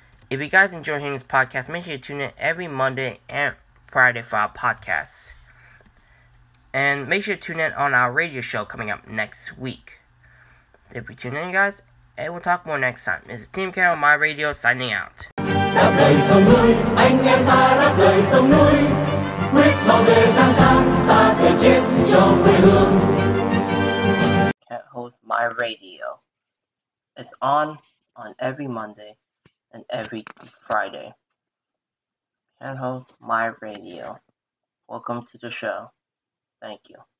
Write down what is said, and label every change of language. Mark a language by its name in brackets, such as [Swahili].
[English] If you guys enjoy hearing this podcast, make sure you tune in every Monday and Friday for our podcasts. And make sure you tune in on our radio show coming up next week. Thank you for tuning in, guys. And we'll talk more next time. This is Team Carol, My Radio, signing out. [Vietnamese] Đã đầy sông núi, anh em ta đã đầy sông núi. Quyết bảo vệ sáng sáng, ta thề chết cho quê hương. [English] Cat Host My Radio. It's on every Monday and every Friday. Cat Host My Radio. Welcome to the show. Thank you.